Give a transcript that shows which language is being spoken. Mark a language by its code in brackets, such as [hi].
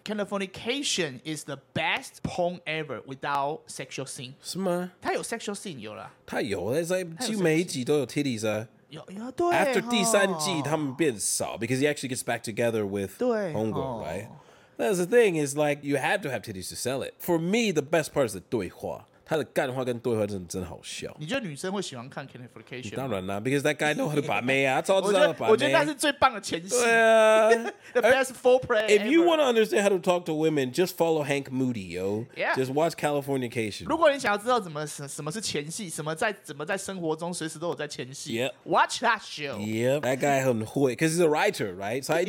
[en] Californication is the best porn ever without sexual scene. [zh] 是吗? 他有 [en] sexual scene, [zh] 有啦。他有, [en] it's like, [zh] 几乎每一集都有titties 啊。有, 对, [en] After [zh] 第三季, 他们变少, [en] because he actually gets back together with [zh] 对, [en] homegirl, right? That's the thing, is like, you had to have titties to sell it. For me, the best part is the [zh] 对话。他的幹話跟對話真的好笑. 你覺得女生會喜歡看Canification嗎? 當然啦, [en] because that guy know how to [zh] 把妹啊, 他超知道把妹。我覺得那是最棒的前戲。對啊。 [en] The best foreplay ever. If you want to understand how to talk to women, just follow Hank Moody, yo. Yeah. Just watch Californication. [zh] 如果你想要知道什麼是前戲, 怎麼在生活中隨時都有在前戲, [en] watch that show. Yep. That guy [zh] 很會, [en] because he's a writer, right?